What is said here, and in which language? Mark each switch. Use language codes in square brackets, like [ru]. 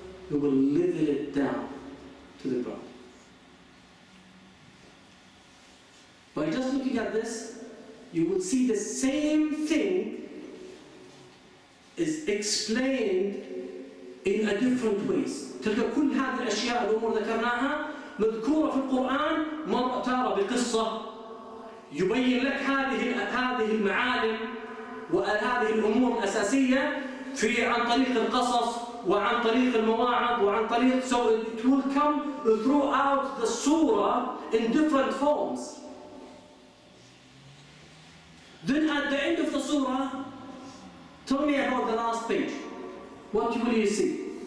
[en] We will level it down to the ground. By just looking at this, you would see the same thing is explained in a different ways. [ar] تلك كل هذه الأشياء الأمور ذكرناها مذكورة في القرآن مرة تارة بقصة يبين لك هذه المعالم وهذه الأمور الأساسية في عن طريق القصص وعن طريق المواعظ وعن طريق. [en] So it will come throughout the surah in different forms. Then at the end of the surah, tell me about the last page. What will you see?